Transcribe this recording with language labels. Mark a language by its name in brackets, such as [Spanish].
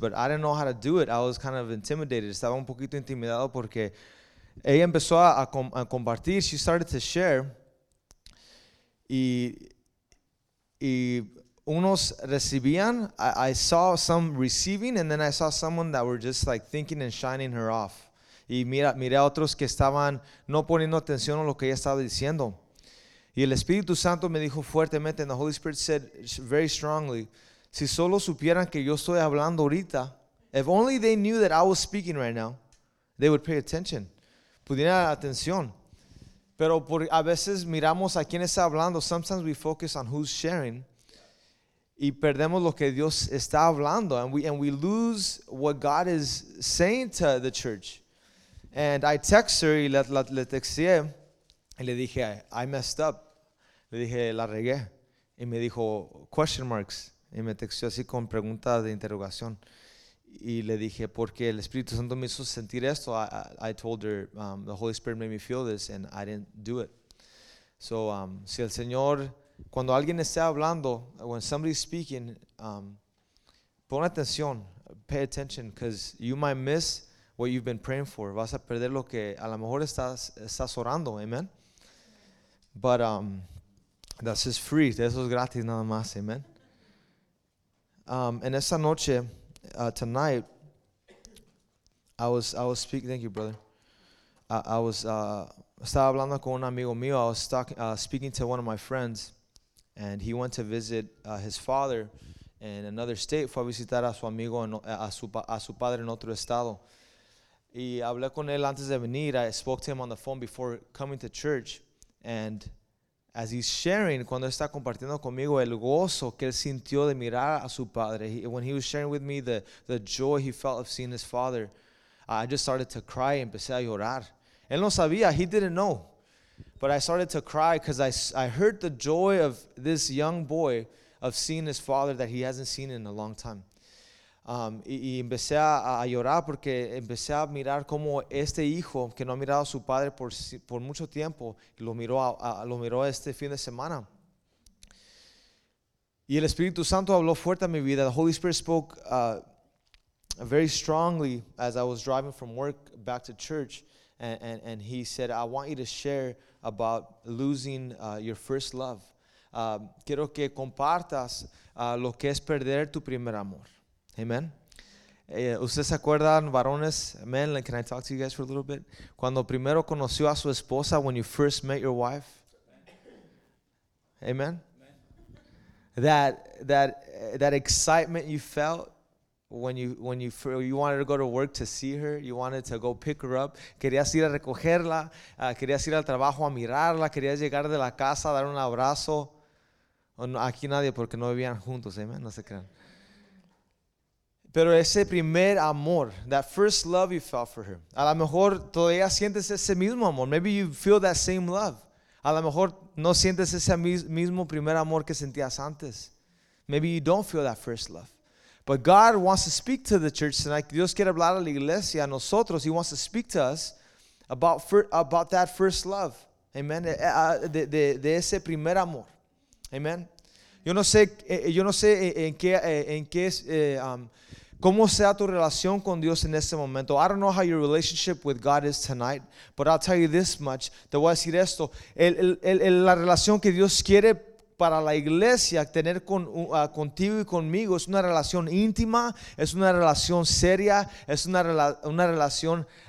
[English] But I didn't know how to do it. I was kind of intimidated. [Spanish] Estaba un poquito intimidado porque ella empezó a compartir, [English] she started to share, [Spanish] y unos recibían, [English] I saw some receiving, and then I saw someone that were just like thinking and shining her off. [Spanish] Y miré a otros que estaban no poniendo atención a lo que ella estaba diciendo. Y el Espíritu Santo me dijo fuertemente, [English] and the Holy Spirit said very strongly, [Spanish] si solo supieran que yo estoy hablando ahorita, [English] if only they knew that I was speaking right now, they would pay attention. [Spanish] Pudiera atención, pero por, a veces miramos a quién está hablando. [English] Sometimes we focus on who's sharing, [Spanish] y perdemos lo que Dios está hablando, [English] and we lose what God is saying to the church. And I text her, [Spanish] y le texté, y le dije, [English] I messed up. [Spanish] Le dije, la regué. Y me dijo, [English] question marks. [Spanish] Y me textó así con pregunta de interrogación. Y le dije, porque el Espíritu Santo me hizo sentir esto. [English] I told her, the Holy Spirit made me feel this, and I didn't do it. So, [Spanish] si el Señor, cuando alguien esté hablando, [English] when somebody's speaking, [Spanish] pon atención, [English] pay attention, because you might miss what you've been praying for. [Spanish] Vas a perder lo que a lo mejor estás orando, amen? [English] But that's just free. [Spanish] Eso es gratis nada más, amen? En esa noche, [English] tonight, I was speaking. Thank you, brother. I was [Spanish] hablando con un amigo mío. [English] I was talking, speaking to one of my friends, and he went to visit his father in another state. [Spanish] Fue a visitar a su amigo a su padre en otro estado. Y hablé con él antes de venir. [English] I spoke to him on the phone before coming to church, and as he's sharing, [Spanish] cuando está compartiendo conmigo el gozo que él sintió de mirar a su padre, [English] when he was sharing with me the joy he felt of seeing his father, I just started to cry. [Spanish] Empecé a llorar. Él no sabía. [English] He didn't know. But I started to cry because I heard the joy of this young boy of seeing his father that he hasn't seen in a long time. [Spanish] Y empecé a llorar porque empecé a mirar cómo este hijo que no ha mirado a su padre por mucho tiempo lo miró este fin de semana. Y el Espíritu Santo habló fuerte a mi vida. [English] The Holy Spirit spoke very strongly as I was driving from work back to church, and he said, I want you to share about losing your first love. [Spanish] Quiero que compartas lo que es perder tu primer amor. Amen. ¿Ustedes se acuerdan, varones? Amen. [English] Can I talk to you guys for a little bit? [Spanish] Cuando primero conoció a su esposa, [English] when you first met your wife. Amen. That excitement you felt when you wanted to go to work to see her, you wanted to go pick her up. [Spanish] Querías ir a recogerla, querías ir al trabajo a mirarla, querías llegar de la casa a dar un abrazo. Aquí nadie porque no vivían juntos. Amen. No se crean. Pero ese primer amor, [English] that first love you felt for her, [Spanish] a lo mejor todavía sientes ese mismo amor. [English] Maybe you feel that same love. [Spanish] A lo mejor no sientes ese mismo primer amor que sentías antes. [English] Maybe you don't feel that first love. But God wants to speak to the church tonight. [Spanish] Dios quiere hablar a la iglesia, a nosotros. [English] He wants to speak to us about that first love. [Spanish] Amen. De ese primer amor. Amen. Yo no sé en qué es, ¿cómo sea tu relación con Dios en este momento? [English] I don't know how your relationship with God is tonight, but I'll tell you this much. [Spanish] Te voy a decir esto. La relación que Dios quiere para la iglesia tener contigo y conmigo es una relación íntima, es una relación seria, es una relación